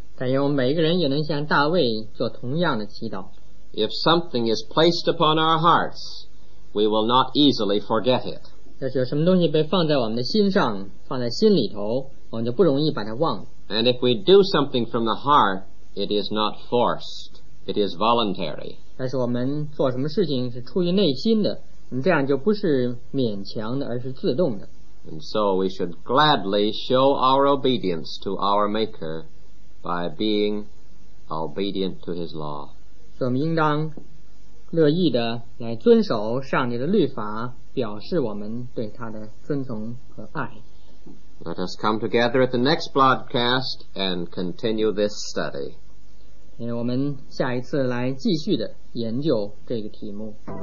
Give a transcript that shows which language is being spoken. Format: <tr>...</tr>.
<zh>但愿我们每个人也能像大卫做同样的祈祷。</zh> <en>If something is placed upon our hearts, we will not easily forget it.</en> <zh>要是有什么东西被放在我们的心上，放在心里头，我们就不容易把它忘了。</zh> <en>And if we do something from the heart, it is not forced. It is voluntary.</en> <zh>但是我们做什么事情是出于内心的，这样就不是勉强的，而是自动的。</zh> <en>And so we should gladly show our obedience to our Maker by being obedient to His law.</en> <zh>所以我们应当乐意的来遵守上帝的律法，表示我们对他的遵从和爱。</zh> <en>Let us come together at the next broadcast and continue this study.</en> <zh>我们下一次来继续的研究这个题目。</zh>